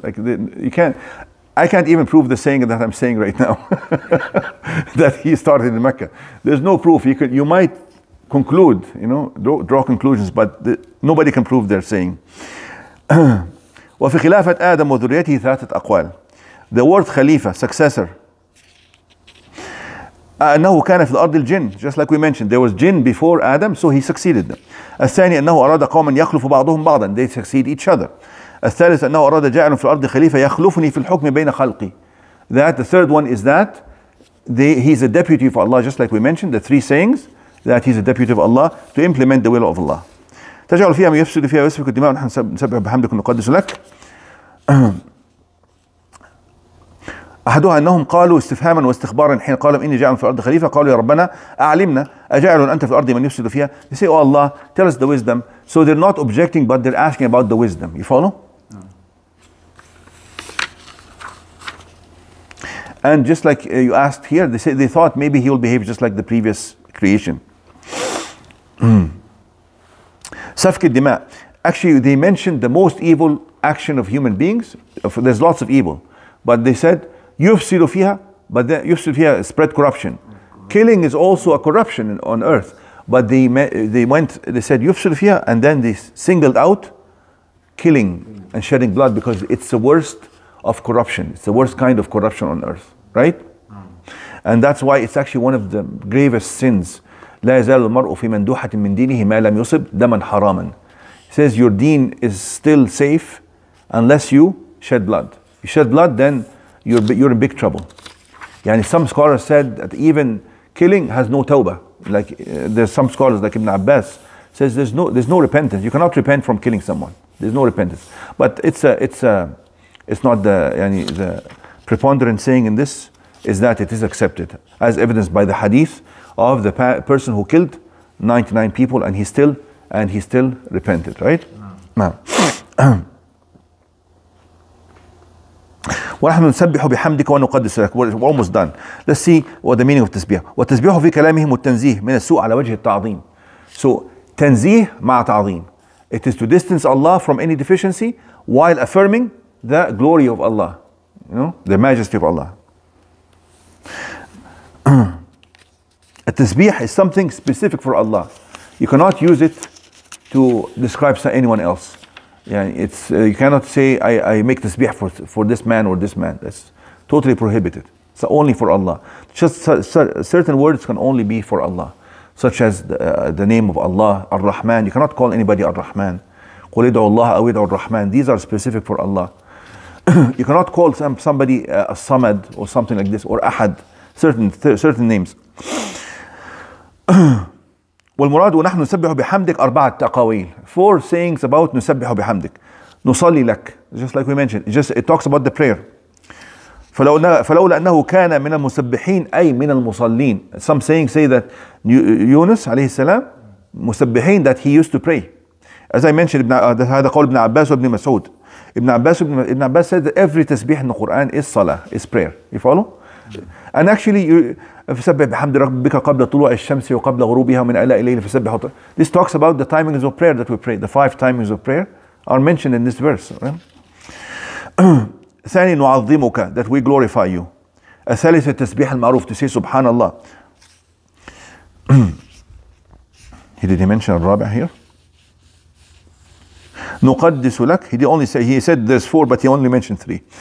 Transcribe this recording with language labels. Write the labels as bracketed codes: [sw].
[en] Like I can't even prove the saying that I'm saying right now that he started in Mecca. There's no proof. You might. Conclude, you know, draw conclusions, but nobody can prove their saying. [ar] وفي خلافة آدم وذريته ثلاثة أقوال. [en] The word خليفة, successor. [ar] أنه كان في الأرض الجن, [en] just like we mentioned, there was jinn before Adam, so he succeeded them. [ar] الثاني أنه أراد قوما يخلف بعضهم بعضا, [en] they succeed each other. [ar] الثالث أنه أراد جاعل في الأرض خليفة يخلفني في الحكم بين خلقي. [en] That the third one is that he's a deputy for Allah, just like we mentioned, the three sayings. That he's a deputy of Allah to implement the will of Allah. [ar] تجعل فيها يفسد فيها ويسفك الدماء ونحن نسبح بحمدك ونقدس لك. أحدها أنهم قالوا استفهاما واستخبارا حين قالوا إني جاعل في الأرض خليفة, قالوا يا ربنا أعلمنا أجاعل أنت في الأرض من يفسد فيها. [en] They say, oh Allah, tell us the wisdom. So they're not objecting, but they're asking about the wisdom. You follow? And just like you asked here, they say they thought maybe he will behave just like the previous creation. [ar] سفك الدماء. [en] Actually, they mentioned the most evil action of human beings. There's lots of evil, but they said [ar] يفسد فيها. [en] But [ar] يفسد فيها [en] spread corruption. Killing is also a corruption on earth. But they said [ar] يفسد فيها, [en] and then they singled out killing and shedding blood because it's the worst of corruption. It's the worst kind of corruption on earth, right? And that's why it's actually one of the gravest sins. [ar] لا يزال المرء في مندوحة من دينه ما لم يصب دما حراما. [en] He says your deen is still safe unless you shed blood. You shed blood, then you're in big trouble. يعني some scholars said that even killing has no tawbah. Like there's some scholars like Ibn Abbas says there's no repentance. You cannot repent from killing someone. There's no repentance. But it's not the preponderant saying in this is that it is accepted as evidenced by the hadith of the person who killed 99 people and he still repented, right? [ar] وَنَحْنُ نُسَبِّحُ بِحَمْدِكَ وَنُقَدِّسُ لَكَ. [en] We're almost done. Let's see what the meaning of tasbih. [ar] وَتَسْبِحُ فِي كَلَامِهِمُ التَّنْزِيهِ مِنَ السُّوءِ عَلَى وَجْهِ التَّعْظِيمِ. So, تنزيه مع تعظيم. [en] It is to distance Allah from any deficiency while affirming the glory of Allah. You know, the majesty of Allah. التسبيح is something specific for Allah. You cannot use it to describe anyone else. Yeah, it's you cannot say I make tasbih for this man or this man. That's totally prohibited. It's only for Allah. Just certain words can only be for Allah, such as the name of Allah, Ar-Rahman. You cannot call anybody Ar-Rahman. [ar] قُلْ إِدْعُوا اللَّهَ أَوْ إِدْعُوا الرَّحْمَنَ. [en] These are specific for Allah. You cannot call somebody As-Samad or something like this, or Ahad, certain names. [ar] والمراد ونحن نسبح بحمدك أربعة تقاويل. [en] Four sayings about نسبح بحمدك. [ar] نصلي لك. [en] Just like we mentioned. It talks about the prayer. [ar] فلولا أنه كان من المسبحين أي من المصلين. [en] Some sayings say that Yunus [ar] عليه السلام مسبحين, [en] that he used to pray. As I mentioned, [ar] هذا قول ابن عباس وابن مسعود. [en] ابن عباس said that every تسبيح in the Quran is صلاة, is prayer. You follow? And actually, [ar] فسبح بحمد ربك قبل طلوع الشمس وقبل غروبها من آلاء الليل فسبح. [en] This talks about the timings of prayer that we pray. The five timings of prayer are mentioned in this verse. [ar] ثاني نعظمك, [en] that we glorify you. [ar] الثالث التسبيح المعروف, [en] to say [ar] سبحان الله. [en] Did he mention الرابع here? [ar] نقدس لك. [en] He said there's four, but he only mentioned three.